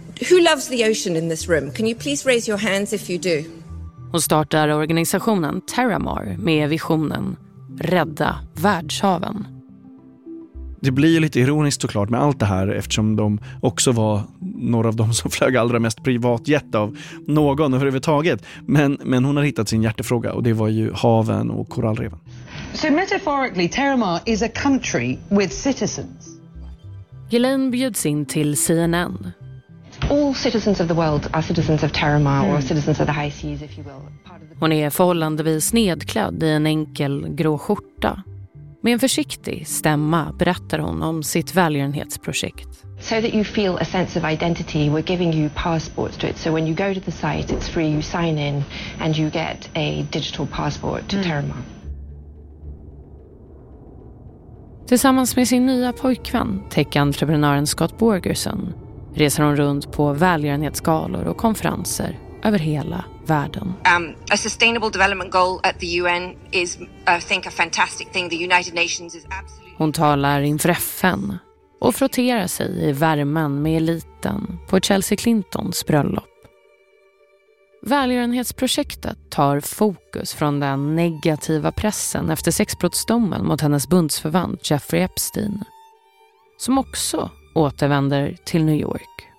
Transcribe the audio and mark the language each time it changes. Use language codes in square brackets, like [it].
[en] Who loves the ocean in this room? Can you please raise your hands if you do? [sv] Hon startar organisationen Terramar med visionen Rädda världshaven. Det blir ju lite ironiskt såklart med allt det här eftersom de också var några av dem som flög allra mest privatjet av någon överhuvudtaget. Men hon har hittat sin hjärtefråga och det var ju haven och korallreven. [en] So metaphorically, Terramar is a country with citizens. [sv] Ghislaine bjuds in till CNN. [en] All citizens of the world are citizens of Terramar or citizens of the high seas, if you will. [sv] Hon är förhållandevis nedklädd i en enkel grå skjorta. Med en försiktig stämma berättar hon om sitt välgörenhetsprojekt. [en] So that you feel a sense of identity, we're giving you passports to it. So when you go to the site, it's free, you sign in and you get a digital passport to Terramar. [sv] Tillsammans med sin nya pojkvän, tech-entreprenören Scott Borgerson, reser hon runt på välgörenhetsgalor och konferenser över hela världen. [en] A sustainable development goal at the UN is, I think, a fantastic thing. The United Nations is absolutely. [sv] Hon talar inför FN och frotterar sig i värmen med eliten på Chelsea Clintons bröllop. Välgörenhetsprojektet tar fokus från den negativa pressen efter sexbrottsdomen mot hennes bundsförvant Jeffrey Epstein, som också återvänder till New York.